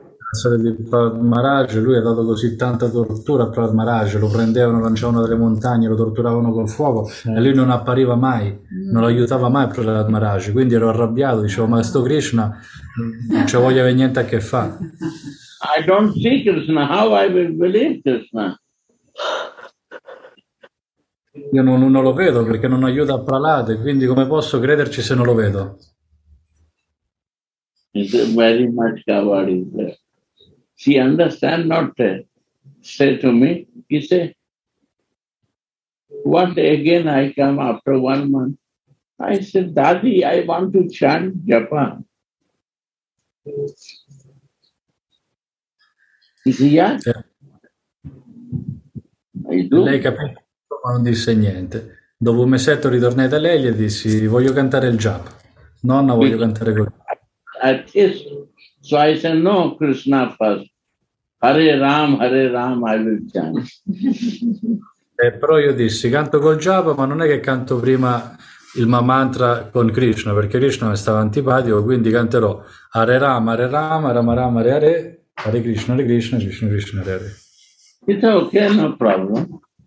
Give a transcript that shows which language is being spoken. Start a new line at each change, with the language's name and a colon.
Italian: Pensare di Maharaj, lui ha dato così tanta tortura a Maharaj, lo prendevano, lanciavano dalle montagne, lo torturavano col fuoco e lui non appariva mai, non lo aiutava mai Prahlad Maharaj, quindi ero arrabbiato, dicevo ma sto Krishna non ci voglio avere niente a che fare.
English: I don't see Krishna, how I will believe Krishna?
Italian: Io non lo vedo perché non aiuta a Prahlad, quindi come posso crederci se non lo vedo?
English: Is very much covered in there. She understand not that. Say to me, he say, one day again I come after 1 month. I said, Daddy, I want to chant Japa. He said, yeah. I do.
Italian: Lei capisce, ma non disse niente. Dopo un mesetto ritornai da lei e dissi, voglio cantare il Japa. Nonna, voglio cantare quello.
English: At this, so I said, no, Krishna first. Hare Ram, I will chant.
Italian: Però io dissi, canto col Japa, ma non è che canto prima il mantra con Krishna, perché Krishna mi stava antipatico, quindi canterò Hare Ram, Hare Ram, Rama Ram, Hare Hare, Hare Krishna, Hare Krishna, Krishna Krishna, Hare Hare.
English: It's okay, no problem.